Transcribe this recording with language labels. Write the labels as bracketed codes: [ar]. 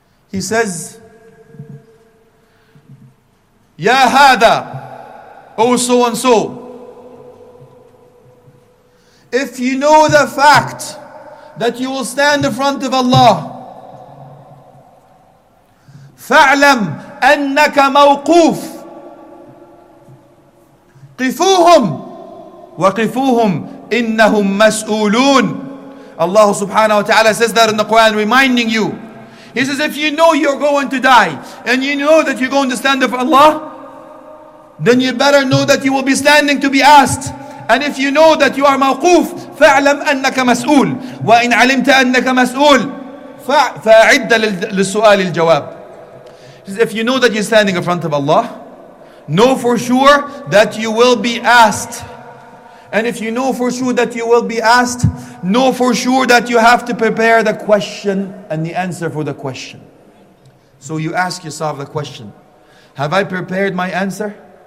[en] He says, [ar] Ya hada, [en] O so and so. If you know the fact that you will stand in front of Allah, [ar] fa'lam annaka mawquf. قفوهم وقفوهم إنهم مسؤولون. [en] Allah subhanahu wa ta'ala says that in the Quran, reminding you. He says, if you know you're going to die and you know that you're going to stand for Allah, then you better know that you will be standing to be asked. And if you know that you are mawquf, [ar] فَاعْلَمْ أَنَّكَ مَسْؤُولٌ وَإِنْ عَلِمْتَ أَنَّكَ مَسْؤُولٌ فَاعِدَّ لِلسُؤَالِ الْجَوَابِ. [en] He says, if you know that you're standing in front of Allah, know for sure that you will be asked. And if you know for sure that you will be asked, know for sure that you have to prepare the question and the answer for the question. So you ask yourself the question, have I prepared my answer?